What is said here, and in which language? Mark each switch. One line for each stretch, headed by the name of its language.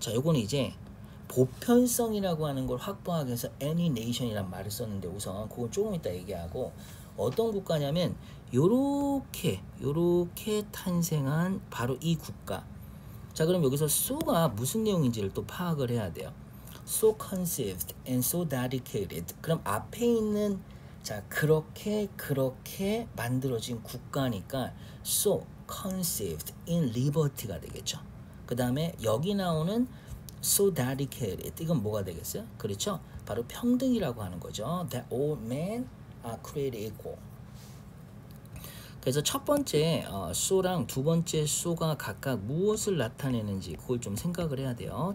Korean: 자, 요거는 이제 보편성이라고 하는 걸 확보하기 위해서 any nation이란 말을 썼는데 우선 그건 조금 이따 얘기하고 어떤 국가냐면 요렇게 탄생한 바로 이 국가. 자, 그럼 여기서 so가 무슨 내용인지를 또 파악을 해야 돼요.
English: So conceived and so dedicated.
Korean: 그럼 앞에 있는 자 그렇게 만들어진 국가니까
English: so conceived in liberty
Korean: 가 되겠죠. 그 다음에 여기 나오는
English: so dedicated
Korean: 이건 뭐가 되겠어요? 그렇죠? 바로 평등이라고 하는 거죠.
English: That all men are created equal.
Korean: 그래서 첫 번째 소랑 두 번째 소가 각각 무엇을 나타내는지 그걸 좀 생각을 해야 돼요.